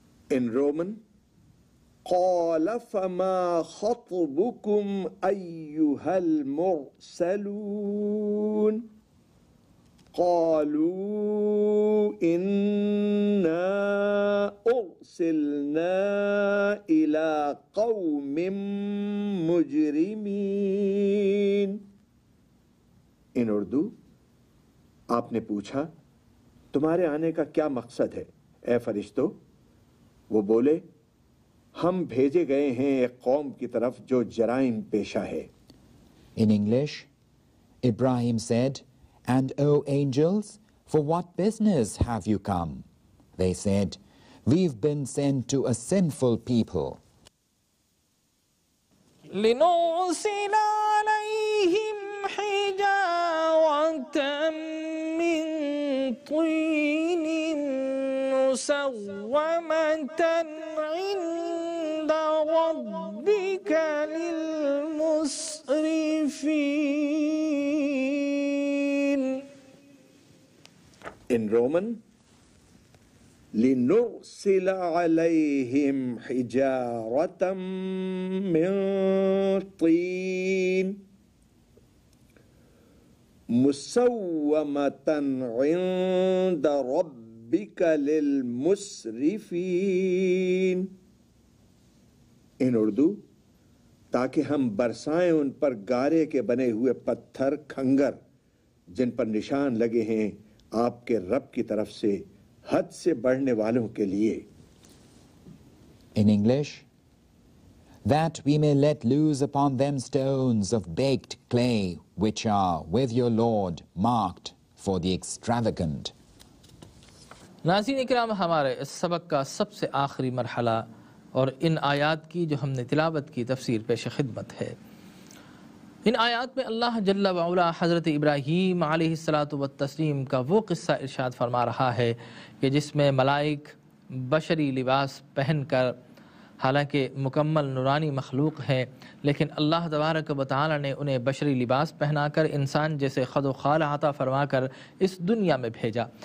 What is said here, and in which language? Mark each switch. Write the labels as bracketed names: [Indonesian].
[English] In Roman, [Arabic] قال فما خطبكم أيها المرسلون قالوا إنا أرسلنا إلى قوم مجرمين. [English] In Urdu, [Urdu] آپ نے پوچھا, تمہارے آنے کا کیا مقصد ہے اے فرشتو؟ وہ بولے, ہم بھیجے گئے ہیں ایک قوم کی طرف جو جرائم پیشہ ہے. [English] In English, Ibrahim said, and O angels, for what business have you come? They said, we've been sent to a sinful people. [Arabic] لنرسل عليهم حجارة من طين مسومة عند ربك للمسرفين. [English] In Roman, [Arabic] لنرسل عليهم حجارة من طين مسومة عند ربك للمسرفين. [English] In Urdu, [Urdu] تاکہ ہم برسائیں ان پر گارے کے بنے ہوئے پتھر کھنگر جن پر نشان لگے ہیں آپ کے رب کی طرف سے حد سے بڑھنے والوں کے لیے. [English] In English, that we may let loose upon them stones of baked clay which are with your Lord marked for the extravagant. [Urdu] ناظرین اکرام, ہمارے اس سبق کا سب سے آخری مرحلہ اور ان آیات کی جو ہم نے تلاوت کی تفسیر پیش خدمت ہے. ان آیات میں اللہ جل وعلا حضرت ابراہیم علیہ الصلوۃ والتسلیم کا وہ قصہ ارشاد فرما رہا ہے کہ جس میں ملائک بشری لباس پہن کر, حالانکہ مکمل نورانی مخلوق ہیں, لیکن اللہ تبارک و تعالی نے انہیں بشری لباس پہنا کر انسان جیسے خد و خال عطا فرما کر اس دنیا میں بھیجا.